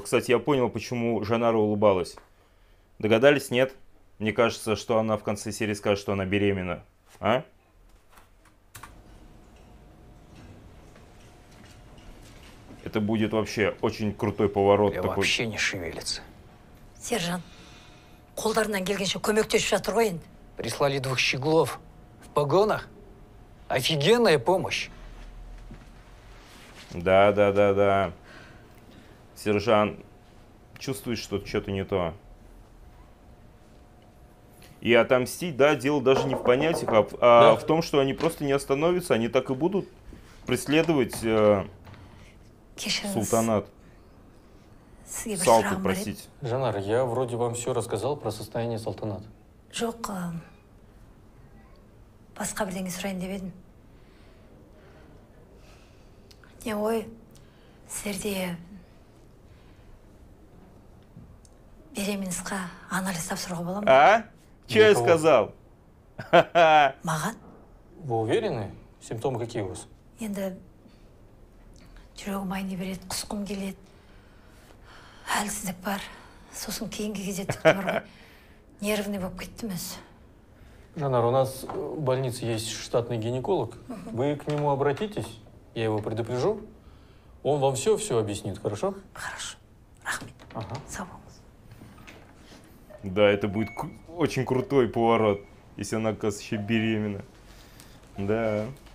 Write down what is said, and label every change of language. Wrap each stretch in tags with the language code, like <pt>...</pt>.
<ru>Кстати, я понял, почему Жанара улыбалась. Догадались, нет? Мне кажется, что она в конце серии скажет, что она беременна. А? Это будет вообще очень крутой поворот. Я такой. Вообще не шевелится.</ru> <kk>Сержант, колдарынан келгенше көмектесіп жатыр ғой енді.</kk> <ru>Прислали двух щеглов в погонах. Офигенная помощь. Да. Сержант, чувствуешь, что что-то не то. И отомстить, да, дело даже не в понятиях, а в том, что они просто не остановятся, они так и будут преследовать султанат. Салту, простите. Жанар, я вроде вам все рассказал про состояние салтанат.</ru> <kk>Жоқ, басқа бірдеңе сұрайын деп едім. Не ой, сізде беременіңізге анализ тапсыруға бола ма?</kk> <ru>А? Че я сказал?</ru> <kk>Маған?</kk> <ru>Вы уверены? Симптомы какие у вас?</ru> <kk>Енді жүрегім айни береді, құсқым келеді. Әлсіздік бар. Сосын кейінгі кезде тіптұр. Нервный болып кеттім өз.</kk> <ru>Жанар, у нас в больнице есть штатный гинеколог. Вы к нему обратитесь, я его предупрежу. Он вам все-все объяснит, хорошо? Хорошо.</ru> <kk>Рахмет. Ага. Сау болыңыз.</kk> <ru>Да, это будет очень крутой поворот, если она, оказывается, еще беременна. Да.</ru>